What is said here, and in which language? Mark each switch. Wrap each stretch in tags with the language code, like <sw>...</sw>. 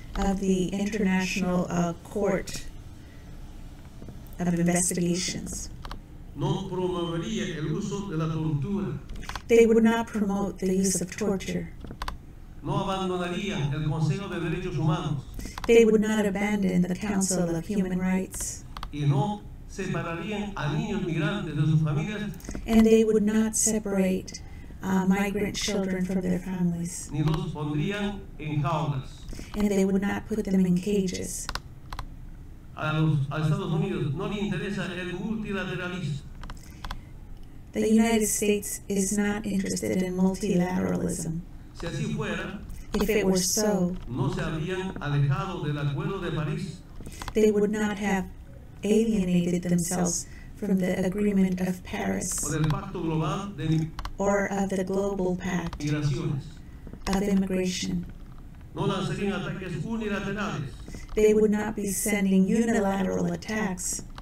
<en>of the International Court of Investigations.</en> <es>No promovería el uso de la tortura.</es> <en>They would not promote the use of torture.</en> <es>No abandonaría el Consejo de Derechos Humanos.</es> <en>They would not abandon the Council of Human Rights.</en> <es>Y no separarían a niños migrantes de sus familias.</es> <en>And they would not separate migrant children from their families.</en> <es>Ni los pondrían en jaulas.</es> <en>And they would not put them in cages.</en> <es>A Estados Unidos no le interesa el multilateralismo.</es> <en>The United States is not interested in multilateralism.</en> <es>Si así fuera,</es> <en>if it were so,</en> <es>no se habrían alejado del Acuerdo de París.</es> <en>They would not have alienated themselves from the Agreement of Paris,</en> <es>o del Pacto Global de</es> <en>or of the Global Pact of Immigration.</en> <es>No lanzarían ataques unilaterales.</es> <en>They would not be sending unilateral attacks,</en>